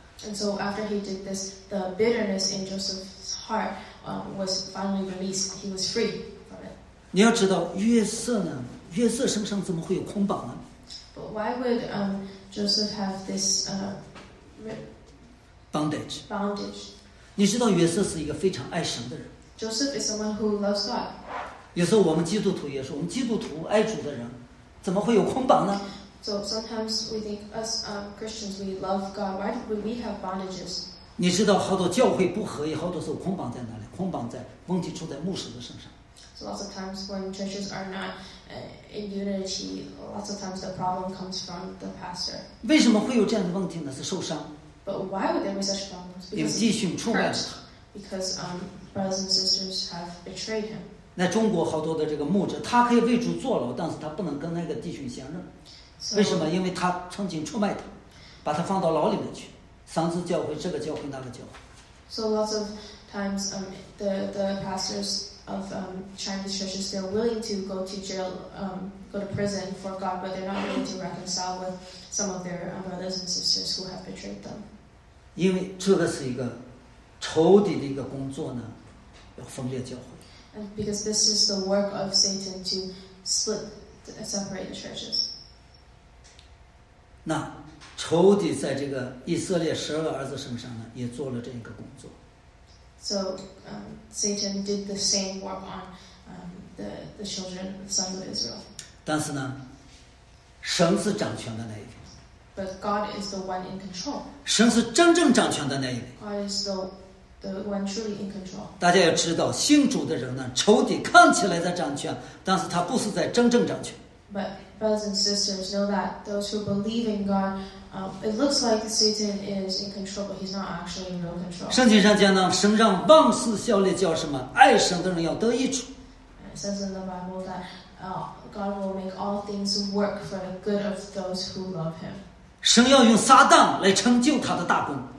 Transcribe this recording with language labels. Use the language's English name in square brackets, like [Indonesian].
[English] And so after he did this, the bitterness in Joseph's heart, was finally released. He was free from it. [Chinese] 你要知道约瑟呢，约瑟身上怎么会有捆绑呢？ [English] But why would Joseph have this bondage? Bondage. [Chinese] 你知道约瑟是一个非常爱神的人。 [English] Joseph is someone who loves God. [Chinese] 有时候我们基督徒也是，我们基督徒爱主的人，怎么会有捆绑呢？ [English] So sometimes we think, us Christians, we love God. Why do we have bondages? [Chinese] 你知道好多教会不合，也好多时候捆绑在哪里？捆绑在问题出在牧师的身上。 [English] So lots of times when churches are not in unity, lots of times the problem comes from the pastor. [Chinese] 为什么会有这样的问题呢？是受伤。 [English] But why would there be such problems? Because [Chinese] 弟兄出卖了他。 [English] Because brothers and sisters have betrayed him. [Chinese] 那中国好多的这个牧者，他可以为主坐牢，但是他不能跟那个弟兄相认。 [English] So, [Chinese] 为什么？因为他曾经出卖他，把他放到牢里面去，三次教会，这个教会，那个教会。 [English] So lots of times, the pastors of Chinese churches, they're willing to go to jail, go to prison for God, but they're not willing to reconcile with some of their brothers and sisters who have betrayed them. [Chinese] 因为这个是一个仇敌的一个工作呢，要分裂教会。 [English] And because this is the work of Satan to split, separate the churches. [Chinese] 那仇敌在这个以色列十二个儿子身上呢，也做了这一个工作。 [English] So, Satan did the same work on the children, the sons of Israel. [Chinese] 但是呢，神是掌权的那一位。 [English] But God is the one in control. [Chinese] 神是真正掌权的那一位。 [English] God is the one truly in control. [Chinese] 大家要知道，信主的人呢，仇敌看起来在掌权，但是他不是在真正掌权。 [English] But brothers and sisters, know that those who believe in God, it looks like Satan is in control, but he's not actually in real control. [Chinese] 圣经上讲呢，神让万事效力叫什么？爱神的人要得益处。 [English] It says in the Bible that God will make all things work for the good of those who love him. [Chinese] 神要用撒旦来成就他的大功。